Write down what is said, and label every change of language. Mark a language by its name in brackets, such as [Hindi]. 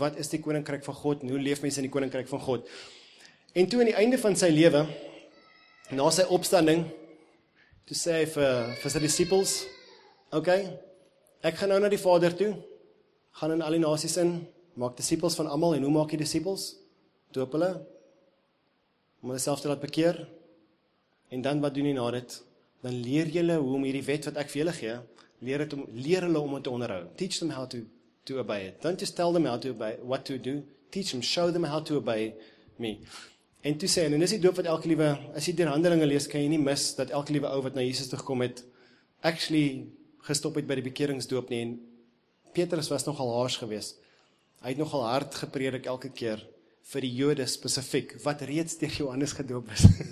[Afrikaans] Wat is die koninkryk van God? En hoe leef mense in die koninkryk van God? En toe aan die einde van sy lewe, na sy opstanding, toe sê hy vir sy disciples, okay, ek gaan nou na die Vader toe, gaan in al die nasies in, maak disciples van almal, en hoe maak jy disciples? Doop hulle, om hulle self te laat bekeer, en dan wat doen jy na dit, dan leer jylle hoe om hierdie wet wat ek vir jylle gee, leer hulle om het te onderhou. [English] Teach them how to obey it. Don't just tell them how to obey, what to do. Teach them, show them how to obey me. [Afrikaans] En toe sê, en dis die doop wat elke liewe, as jy die handelinge lees, kan jy nie mis, dat elke liewe ou wat na Jesus gekom het, actually gestop het by die bekeringsdoop nie. En Petrus was nogal haars gewees. Hy het nogal hard gepredik elke keer, vir die jode specifiek, wat reeds tegen Johannes gedoop is.